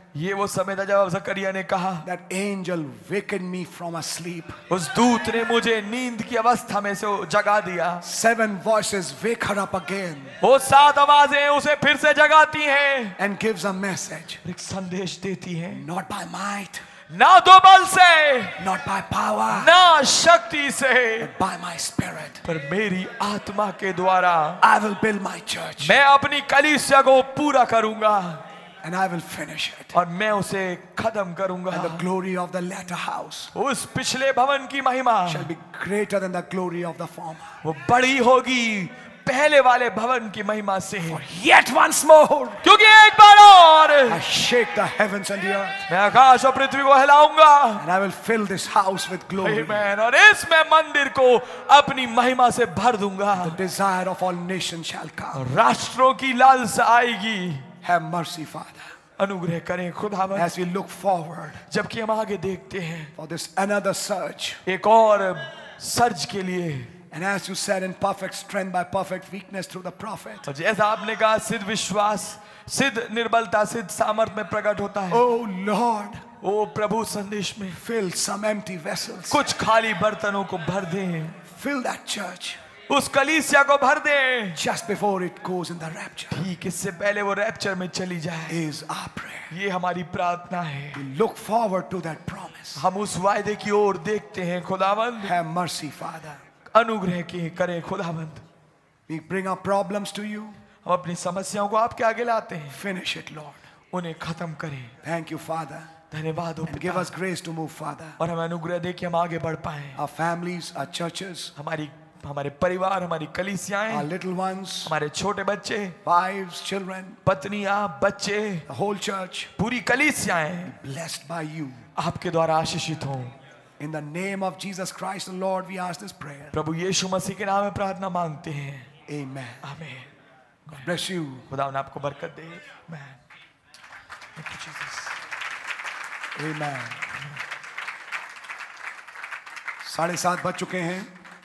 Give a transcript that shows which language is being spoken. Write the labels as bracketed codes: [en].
[hi] ये वो समय था जब ज़करिया ने कहा. [en] That angel wakened me from a sleep. [hi] उस दूत ने मुझे नींद की अवस्था में से जगा दिया. [en] Seven voices wake her up again. [hi] वो सात आवाजें उसे फिर से जगाती हैं. [en] And gives a message. [hi] एक संदेश देती हैं. [en] Not by might. [hi] ना दो बल से. [en] Not by power. [hi] ना शक्ति से. [en] But by my spirit. [hi] पर मेरी आत्मा के द्वारा. [en] I will build my church. [hi] मैं अपनी कलीसिया को पूरा करूंगा. [en] And I will finish it. [hi] और मैं उसे खत्म करूंगा. [en] And the glory of the latter house. [hi] उस पिछले भवन की महिमा. [en] Shall be greater than the glory of the former. [hi] वो बड़ी होगी पहले वाले भवन की महिमा से. [en] Yet once more. [hi] क्योंकि एक बार और. [en] I shake the heavens and the earth. [hi] मैं आकाश और पृथ्वी को हिलाऊंगा. [en] And I will fill this house with glory. Amen. [hi] और इस मैं मंदिर को अपनी महिमा से भर दूंगा. [en] The desire of all nations shall come. [hi] राष्ट्रों की लालसा आएगी. [en] Have mercy, Father. [hi] अनुग्रह करें खुदावर. [en] As we look forward. [hi] जबकि हम आगे देखते हैं. [en] For this another surge. [hi] एक और सर्ज के लिए. [en] And as you said, in perfect strength by perfect weakness through the prophet. [hi] जैसा आपने कहा सिद्ध विश्वास सिद्ध निर्बलता सिद्ध सामर्थ में प्रकट होता है. [en] Oh Lord. [hi] ओ प्रभु संदेश में. [en] Fill some empty vessels. [hi] कुछ खाली बर्तनों को भर दें. [en] Fill that church. [hi] उस कलीसिया को भर दें. [en] Just before it goes in the rapture. [hi] ठीक इससे पहले वो रैप्चर में चली जाए. [en] Is our prayer. [hi] ये हमारी प्रार्थना है. [en] We look forward to that promise. [hi] हम उस वायदे की ओर देखते हैं खुदावंद. [en] Have mercy, Father. [hi] अनुग्रह की करें खुदावंत. [en] We bring our problems to you. [hi] हम अपनी समस्याओं को आपके आगे लाते हैं. [en] Finish it, Lord. [hi] उन्हें खत्म करे. [en] Thank you father. [hi] धन्यवाद हो पिता. [en] Give us grace to move father. [hi] और हमें अनुग्रह दे कि हम आगे बढ़ पाए. [en] our families, our churches, [hi] हमारी हमारे परिवार, हमारी कलीसियाएं, [en] our little ones, [hi] हमारे छोटे बच्चे, [en] wives, children, [hi] पत्नियां, बच्चे, [en] the whole church, [hi] पूरी कलीसियाएं, [en] blessed by you, [hi] आपके द्वारा आशीषित हो. [en] In the name of Jesus Christ, the Lord, we ask this prayer. [hi] प्रभु यीशु मसीह के नाम में प्रार्थना मांगते हैं. [en] Amen. Amen. God bless you. [hi] खुदा ने आपको बरकत दे. Amen. [en] Thank you, Jesus. Amen. [hi] साढ़े सात बज चुके हैं.